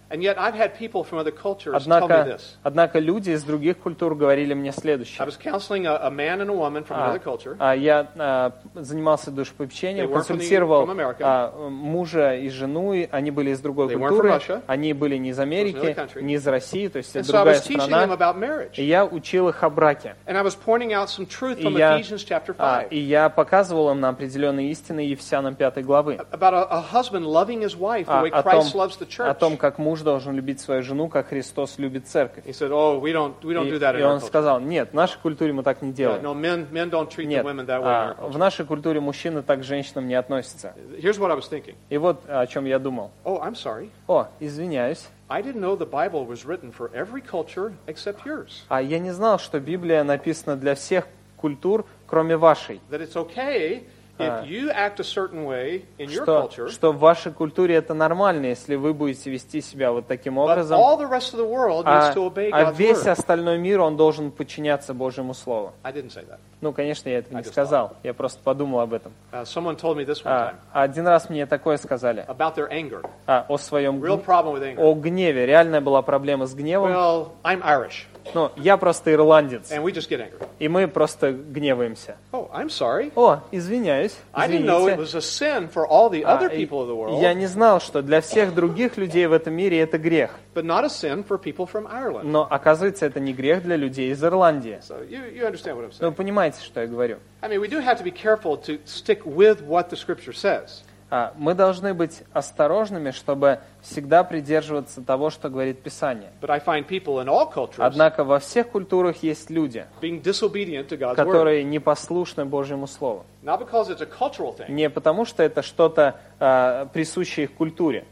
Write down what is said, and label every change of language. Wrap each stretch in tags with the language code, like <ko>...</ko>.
<en>And yet I've had people from other cultures</en> <ru>однако люди из других культур говорили мне следующее.</ru> <en>I was counseling a man and a woman from another culture.</en> <ru>Я занимался душепопечением, консультировал мужа и жену, и они были из другой</ru> <en>They</en> <ru>культуры. Они были не из Америки, не из России, то есть</ru> <en>and</en> <ru>другая</ru> <en>so</en> <ru>страна. И я учил их о браке.</ru> <en>And I was pointing out some truth from Ephesians chapter 5.</en> <ru>И я показывал им на определенные истины Ефесянам 5 главы.</ru> <en>About a husband loving his wife the way Christ loves the church.</en> <ru>О том, как муж муж должен любить свою жену, как Христос любит церковь.</ru> <en>He said, "Oh, we don't do that in our culture."</en> <ru>И он сказал: "Нет, в нашей культуре мы так не делаем."</ru> <en>Yeah, no, men don't treat the women that way.</en> <ru>Нет, в нашей культуре мужчины так к женщинам не относятся.</ru> <en>Here's what I was thinking.</en> <ru>И вот о чем я думал.</ru> <en>Oh, I'm sorry.</en> <ru>О, извиняюсь.</ru> <en>I didn't know the Bible was written for every culture except yours.</en> <ru>А я не знал, что Библия написана для всех культур, кроме вашей.</ru> <en>That it's okay. If you act a certain way in your culture,</en> <ru>что в вашей культуре это нормально, если вы будете вести себя вот таким образом,</ru> <en>but all the rest of the world needs to obey God's word.</en> <ru>А весь остальной мир, он должен подчиняться Божьему Слову.</ru> <en>I didn't say that.</en> <ru>Ну, конечно, я этого не сказал. Я просто подумал об этом.</ru> <en>Someone told me this one time.</en> <ru>Один раз мне такое сказали.</ru> <en>About their anger.</en> <ru>О своем</ru> <en>real problem with anger.</en> <ru>О гневе. Реальная была проблема с гневом.</ru> <en>Well, I'm Irish.</en> <ru>Ну, я просто ирландец.</ru> <en>And we just get angry.</en> <ru>И мы просто гневаемся.</ru> <en>Oh, I'm sorry.</en> <ru>О, извиняюсь. Извините.</ru> <en>I didn't know it was a sin for all the other people of the world.</en> <ru>Я не знал, что для всех других людей в этом мире это грех.</ru> <en>But not a sin for people from Ireland.</en> <ru>Но, оказывается, это не грех для людей из Ирландии.</ru> <en>So you understand what I'm saying.</en> <ru>Ну, вы понимаете, что я говорю.</ru> <en>I mean, we do have to be careful to stick with what the scripture says.</en> <ru>Мы должны быть осторожными, чтобы всегда придерживаться того, что говорит Писание.</ru> <en>But I find people in all cultures,</en> <ru>однако во всех культурах есть люди,</ru> <en>being disobedient to God's</en> <ru>которые Непослушны Божьему Слову.</ru> <en>Not because it's a cultural thing,</en> <ru>не потому, что это что-то присущее их культуре,</ru>